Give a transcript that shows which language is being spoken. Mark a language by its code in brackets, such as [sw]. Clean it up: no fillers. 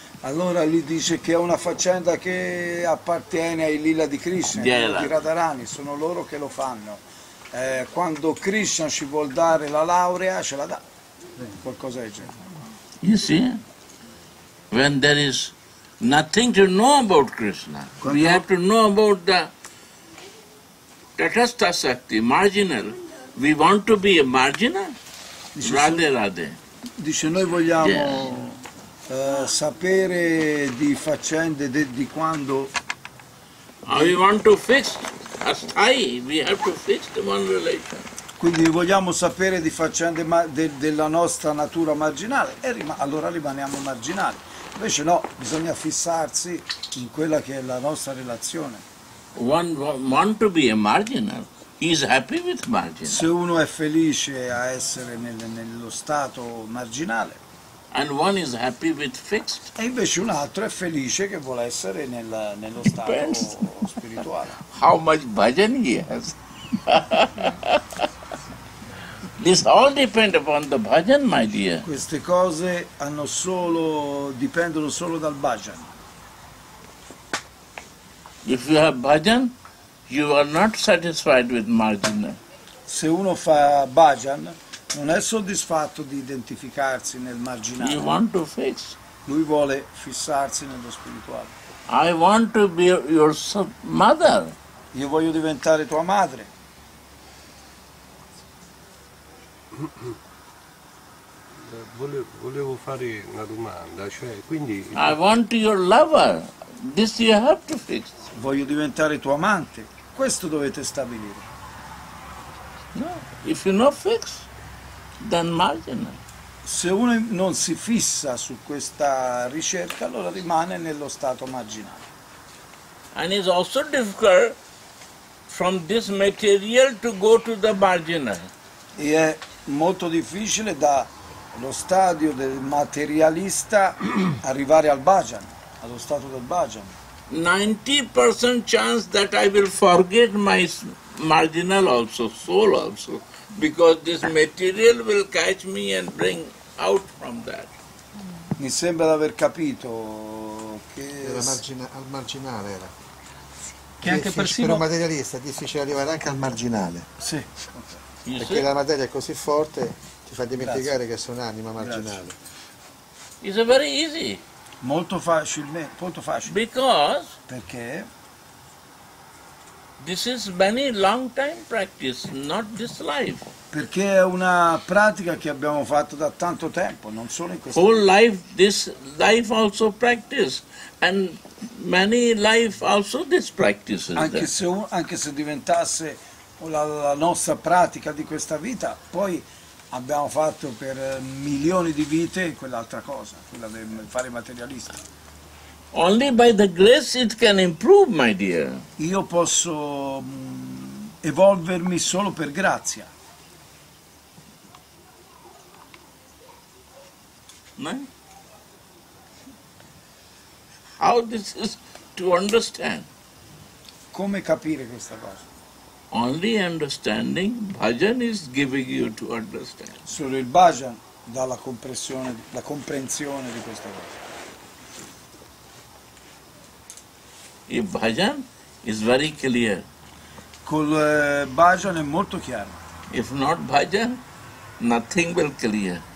[it] Allora lui dice che è una faccenda che appartiene ai Lila di Krishna, di Radharani, sono loro che lo fanno. Quando Krishna ci vuol dare la laurea, ce la dà. Qualcosa del genere. [en] You see, when there is nothing to know about Krishna, we have to know about the Tathastha Shakti, marginal. We want to be a marginal? Radhe. [it] Dice, noi vogliamo sapere di faccende di quando... [en] We want to fix asthai, we have to fix the one relation. [it] Quindi vogliamo sapere di faccende della nostra natura marginale, e allora rimaniamo marginali. Invece no, bisogna fissarsi in quella che è la nostra relazione. [en] One want to be a marginal, he is happy with marginal. [it] Se uno è felice a essere nello stato marginale. [en] And one is happy with fixed. [it] E invece un altro è felice che vuole essere nello stato [en] depends [it] spirituale. [en] How much bhajan he has. This all depend upon the bhajan, my dear. [it] Queste cose dipendono solo dal bhajan. [en] If you have bhajan, you are not satisfied with margin. [it] Se uno fa bhajan, non è soddisfatto di identificarsi nel marginale. [en] You want to fix. [it] Lui vuole fissarsi nello spirituale. [en] I want to be your mother. [it] Io voglio diventare tua madre. Volevo fare una domanda, cioè, quindi [en] I want your lover. This you have to fix. [it] Voglio diventare tuo amante. Questo dovete stabilire. [en] No, if you not fix, then marginal. [it] Se uno non si fissa su questa ricerca, allora rimane nello stato marginale. [en] And it's also difficult from this material to go to the marginal. [it] E molto difficile dallo stadio del materialista arrivare al bhajan, allo stato del bhajan. [en] 90% chance that I will forget my marginal also, soul also, because this material will catch me and bring out from that. [it] Mi sembra di aver capito che al marginale era. Che anche persino per un materialista è difficile arrivare anche al marginale. Sì. Perché la materia è così forte, ti fa dimenticare Grazie. Che sei un'anima marginale. [en] It's very easy. [it] Molto facile. [en] Because [it] perché [en] this is many long time practice, not this life. [it] Perché è una pratica che abbiamo fatto da tanto tempo, non solo in questo. [en] Whole life, this life also practice, and many life also this practice. [it] Anche se diventasse la nostra pratica di questa vita, poi abbiamo fatto per milioni di vite quell'altra cosa, quella del fare materialista. [en] Only by the grace it can improve, my dear. [it] Io posso evolvermi solo per grazia. [en] How this is to understand? [it] Come capire questa cosa? [en] Only understanding bhajan is giving you to understand. [it] Solo il bhajan dà la comprensione di questa cosa. [en] Il bhajan is very clear. [it] Col bhajan è molto chiaro. [en] If not bhajan, nothing will clear.